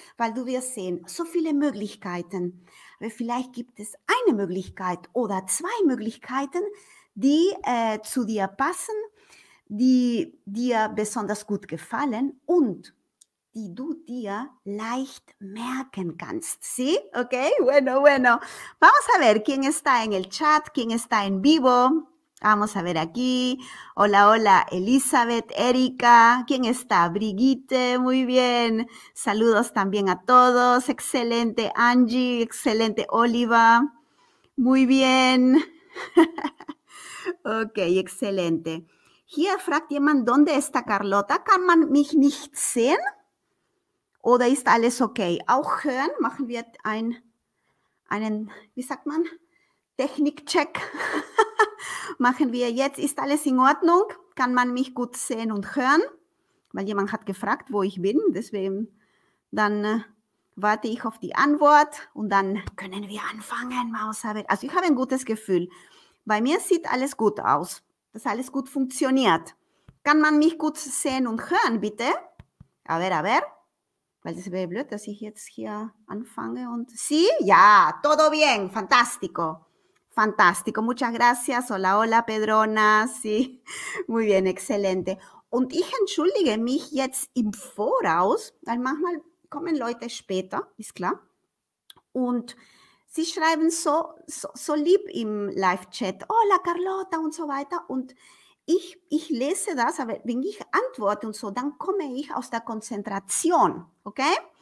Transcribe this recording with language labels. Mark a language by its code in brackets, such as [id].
[de] Weil du wirst sehen, so viele Möglichkeiten. Aber vielleicht gibt es eine Möglichkeit oder zwei Möglichkeiten, die zu dir passen, die dir besonders gut gefallen und die du dir leicht merken kannst. [es] Sí? Okay? Bueno. Vamos a ver, ¿quién está en el chat? ¿Quién está en vivo? Vamos a ver aquí. Hola, hola, Elizabeth, Erika. ¿Quién está? Brigitte, muy bien. Saludos también a todos. Excelente, Angie. Excelente, Oliva. Muy bien. Okay, excelente. [de] Hier fragt jemand, [es] ¿dónde está Carlota? [de] ¿Kann man mich nicht sehen? ¿Oder ist alles okay? Auch hören, machen wir einen, wie sagt man, Technikcheck. Machen wir jetzt, ist alles in Ordnung? Kann man mich gut sehen und hören? Weil jemand hat gefragt, wo ich bin. Deswegen, dann warte ich auf die Antwort und dann können wir anfangen. Also ich habe ein gutes Gefühl. Bei mir sieht alles gut aus. Dass alles gut funktioniert. Kann man mich gut sehen und hören, bitte? [es] A ver, [de] weil es wäre blöd, dass ich jetzt hier anfange und. [es] Sí, ja, todo bien, fantástico. Fantástico, muchas gracias. Hola, hola, Pedrona. Sí, muy bien, excelente. [de] Und ich entschuldige mich jetzt im Voraus, weil manchmal kommen Leute später, ist klar. Und sie schreiben so lieb im Live-Chat, [es] hola Carlota [de] und so weiter. Und ich lese das, aber wenn ich antworte und so, dann komme ich aus der Konzentration. Okay?